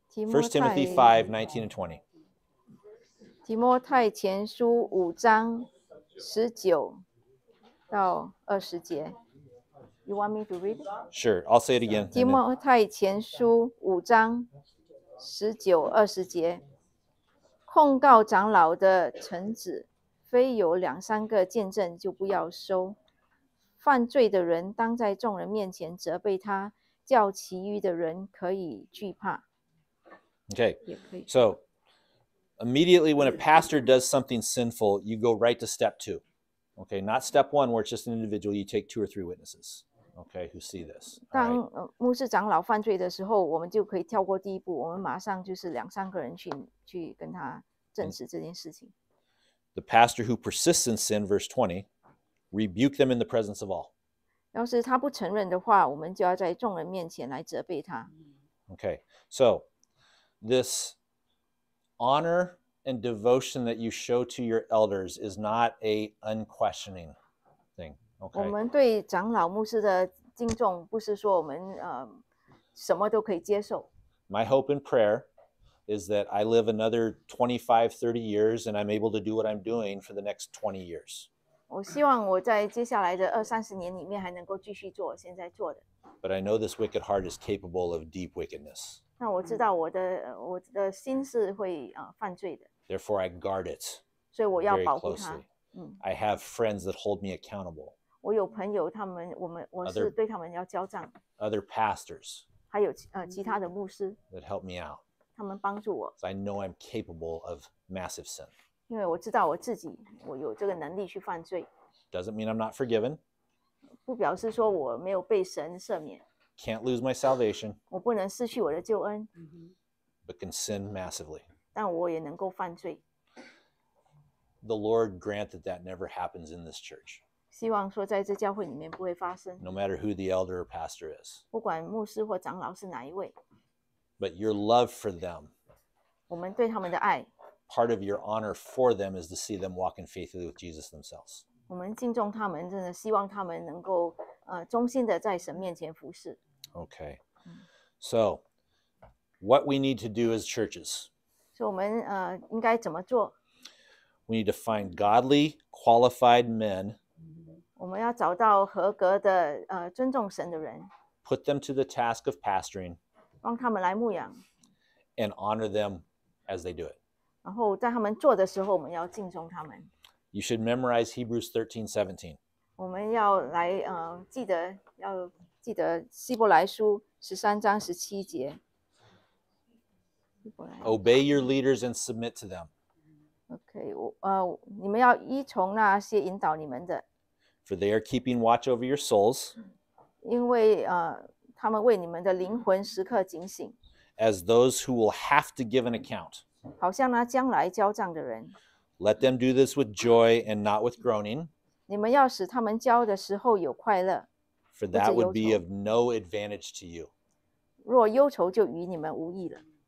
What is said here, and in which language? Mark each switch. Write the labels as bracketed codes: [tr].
[en] First Timothy 5:19 and 20. [zh] 提摩太前书五章十九到二十节。 [en] You want me to read it? Sure, I'll say it again. [zh] 提摩太前书五章十九二十节，控告长老的臣子，非有两三个见证就不要收。犯罪的人当在众人面前责备他，叫其余的人可以惧怕。 [en] Okay, so immediately when a pastor does something sinful, you go right to step two. Okay, not step one where it's just an individual, you take two or three witnesses, okay, who see this. [zh] 当牧师长老犯罪的时候，我们就可以跳过第一步，我们马上就是两三个人去跟他证实这件事情。 [en] The pastor who persists in sin, verse 20, rebuke them in the presence of all. [zh] 要是他不承认的话，我们就要在众人面前来责备他。 [en] Okay, so... This honor and devotion that you show to your elders is not a unquestioning thing. Okay. [zh] 我们对长老牧师的敬重不是说我们什么都可以接受。 [en] My hope and prayer is that I live another 25, 30 years and I'm able to do what I'm doing for the next 20 years. [zh] 我希望我在接下来的二三十年里面还能够继续做我现在做的。 [en] But I know this wicked heart is capable of deep wickedness. [zh] 那我知道我的心是会犯罪的。 [en] Therefore, I guard it. [zh] 所以我要保护它。 [en] I have friends that hold me accountable. [zh] 我有朋友，他们我是对他们要交账。 [en] Other pastors. [zh] 还有其他的牧师。 [en] That help me out. [zh] 他们帮助我。 [en] So I know I'm capable of massive sin. [zh] 因为我知道我自己，我有这个能力去犯罪。 [en] Doesn't mean I'm not forgiven. [zh] 不表示说我没有被神赦免。 [en] Can't lose my salvation. [zh] 我不能失去我的救恩。 [en] But can sin massively. [zh] 但我也能够犯罪。 [en] The Lord grant that that never happens in this church. [zh] 希望说在这教会里面不会发生。 [en] No matter who the elder or pastor is. [zh] 不管牧师或长老是哪一位。 [en] But your love for them. [zh] 我们对他们的爱。 [en] Part of your honor for them is to see them walk in faithfully with Jesus themselves. [zh] 我们敬重他们，真的希望他们能够忠心的在神面前服事。 [en] Okay. So, what we need to do as churches. [zh] 所以我们应该怎么做？ [en] We need to find godly, qualified men. [zh] 我们要找到合格的尊重神的人。 [en] Put them to the task of pastoring. [zh] 让他们来牧养。 [en] And honor them as they do it. [zh] 然后在他们做的时候，我们要敬重他们。 [en] You should memorize Hebrews 13:17. [zh] 我们要来要记得希伯来书十三章十七节。 [en] Obey your leaders and submit to them. [zh] Okay, 你们要依从那些引导你们的。 [en] For they are keeping watch over your souls. [zh] 因为他们为你们的灵魂时刻警醒。 [en] As those who will have to give an account. [zh] 好像那将来交账的人。 [en] Let them do this with joy and not with groaning. [zh] 你们要使他们交的时候有快乐。 [en] For that would be of no advantage to you. [zh] 若忧愁就与你们无益了。